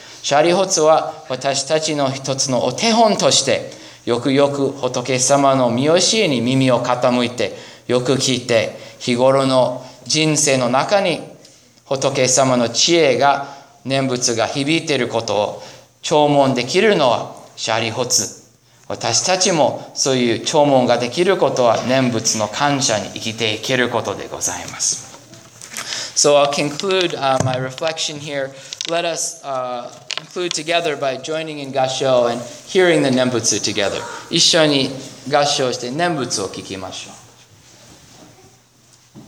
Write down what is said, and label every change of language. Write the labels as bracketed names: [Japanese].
[Japanese] シャリホツは私たちの一つのお手本として、よくよく仏様の御教えに耳を傾いて、よく聞いて、日頃の人生の中に仏様の知恵が、念仏が響いていることを聴聞できるのはシャリホツ。私たちもそういう聴聞ができることは念仏の感謝に生きていけることでございます。 [English] So I'll conclude my reflection here. Let us conclude together by joining in Gassho and hearing the Nembutsu together. [Japanese] 一緒に合唱して念仏を聞きましょう。